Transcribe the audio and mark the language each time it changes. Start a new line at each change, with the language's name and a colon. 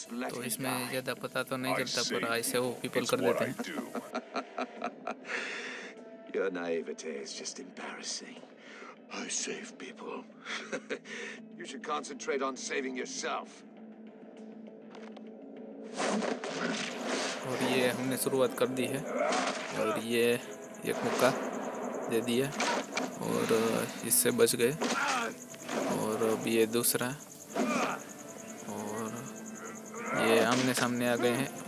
Hindi: तो इसमें ज़्यादा पता तो नहीं चलता पर ऐसे वो पीपल कर देते हैं.
English: Your naivete is just embarrassing. I save people. You should concentrate on saving yourself.
Hindi: और ये हमने शुरुआत कर दी है. और ये एक मुक्का दे दिया. और इससे बच गए. और अब ये दूसरा. और ये आमने सामने आ गए हैं.